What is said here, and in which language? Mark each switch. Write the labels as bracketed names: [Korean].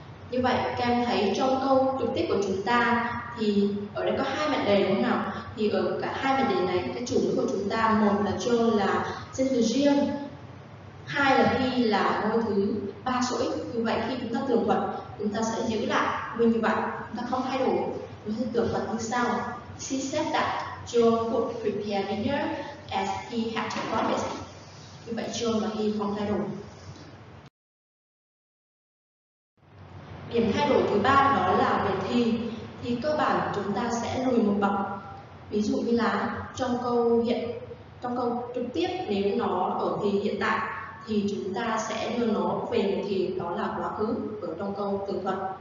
[Vietnamese] Như vậy, các em thấy trong câu trực tiếp của chúng ta thì ở đây có hai mệnh đề đúng không nào? Thì ở cả hai mệnh đề này, cái chủ ngữ của chúng ta, một là John là danh từ riêng, hai là he là ngôi thứ ba sỗi. Vì vậy khi chúng ta tường thuật, chúng ta sẽ giữ lại nguyên như vậy, chúng ta không thay đổi. Chúng ta tường thuật như sau: [English] she said that John would prepare dinner as he had promised. [Vietnamese] Như vậy John và he không thay đổi. Điểm thay đổi thứ ba đó là về thì. Thì cơ bản chúng ta sẽ lùi một bậc. Ví dụ như là trong câu trực tiếp, nếu nó ở thì hiện tại thì chúng ta sẽ đưa nó về thì đó là quá khứ ở trong câu tường thuật.